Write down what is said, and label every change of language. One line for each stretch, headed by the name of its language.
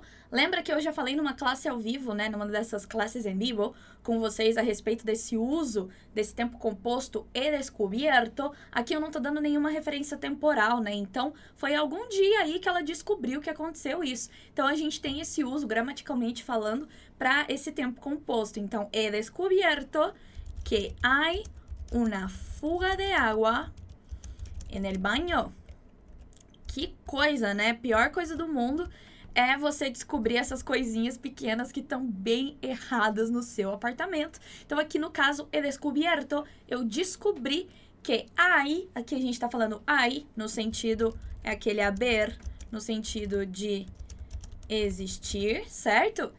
Portuguese: Lembra que eu já falei numa classe ao vivo, né? Numa dessas classes em vivo com vocês a respeito desse uso desse tempo composto he descubierto. Aqui eu não tô dando nenhuma referência temporal, né? Então, foi algum dia aí que ela descobriu que aconteceu isso. Então, a gente tem esse uso, gramaticalmente falando, para esse tempo composto.
Spanish: Então, he descubierto que hay una fuga de agua en el baño.
Portuguese: Que coisa, né? Pior coisa do mundo é você descobrir essas coisinhas pequenas que estão bem erradas no seu apartamento. Então, aqui no caso, he descubierto, eu descobri que hay, aqui a gente está falando hay, no sentido, é aquele haber, no sentido de existir, certo?